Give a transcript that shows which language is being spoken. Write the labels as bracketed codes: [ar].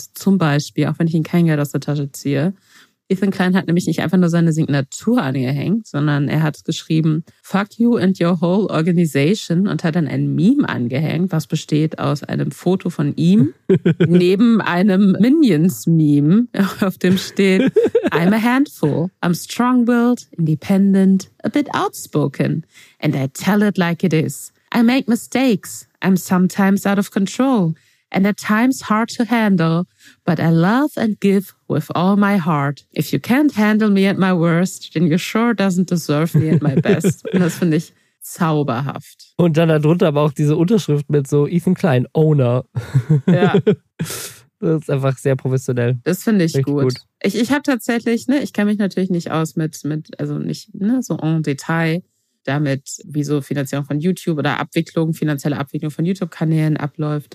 [de] Zum Beispiel, auch wenn ich ihnen kein Geld aus der Tasche ziehe. Ethan Klein hat nämlich nicht einfach nur seine Signatur angehängt, sondern er hat geschrieben, [en] fuck you and your whole organization, [de] und hat dann ein Meme angehängt, was besteht aus einem Foto von ihm neben einem Minions-Meme, auf dem steht, [en] I'm a handful, I'm strong-willed, independent, a bit outspoken, and I tell it like it is. I make mistakes, I'm sometimes out of control, and at times hard to handle, but I love and give with all my heart. If you can't handle me at my worst, then you sure doesn't deserve me at my best. [de] Und das finde ich zauberhaft. Und dann darunter aber auch diese Unterschrift mit so Ethan Klein, Owner. Ja. Das ist einfach sehr professionell. Das finde ich gut. Ich habe tatsächlich, ne, ich kenne mich natürlich nicht aus mit also nicht ne, so en Detail, damit, wie so Finanzierung von YouTube oder Abwicklung, finanzielle Abwicklung von YouTube-Kanälen abläuft.